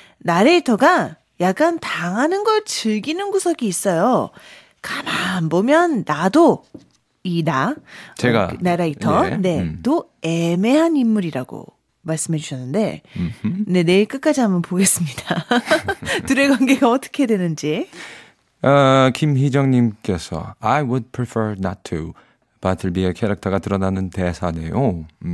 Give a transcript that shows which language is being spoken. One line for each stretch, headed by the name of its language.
Korean: 나레이터가 약간 당하는 걸 즐기는 구석이 있어요. 가만 보면 나도 이 제가 나레이터 예. 네, 또 애매한 인물이라고 말씀해 주셨는데 네, 내일 끝까지 한번 보겠습니다. 둘의 관계가 어떻게 되는지. 김희정 님께서
English: I would prefer not to.
Korean: 바틀비의 캐릭터가 드러나는 대사네요.